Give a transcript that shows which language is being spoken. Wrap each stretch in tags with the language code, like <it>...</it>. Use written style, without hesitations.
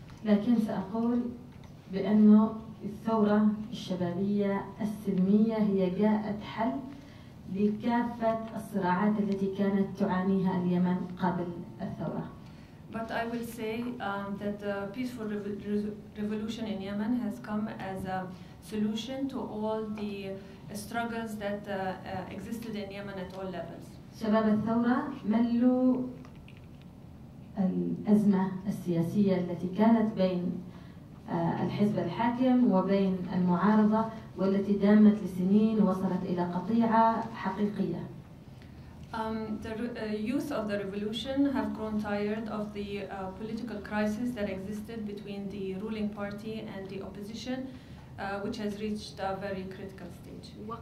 <ar>لكن سأقول بأنه الثورة الشبابية السلمية هي جاءت حل لكافة الصراعات التي كانت تعانيها اليمن قبل الثورة.</ar> <en>But I will say that the peaceful revolution in Yemen has come as a solution to all the struggles that existed in Yemen at all levels.</en> <ar>شباب الثورة ملوا الأزمة السياسية التي كانت بين الحزب الحاكم وبين المعارضة والتي دامت لسنين وصلت إلى قطيعة حقيقية.</ar> <en>The youth of the revolution have grown tired of the political crisis that existed between the ruling party and the opposition, which has reached a very critical stage.</en>